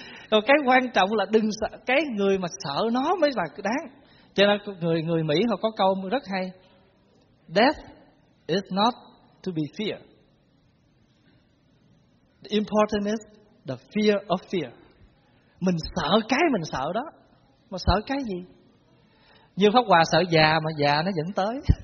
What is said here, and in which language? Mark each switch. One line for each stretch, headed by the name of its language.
Vietnamese: Rồi cái quan trọng là đừng sợ, cái người mà sợ nó mới là đáng. Cho nên người Mỹ họ có câu rất hay.
English: Death is not to be feared. Important is the fear of fear.
Vietnamese: Mình sợ cái mình sợ đó. Mà sợ cái gì? Như Pháp Hòa sợ già, mà già nó vẫn tới.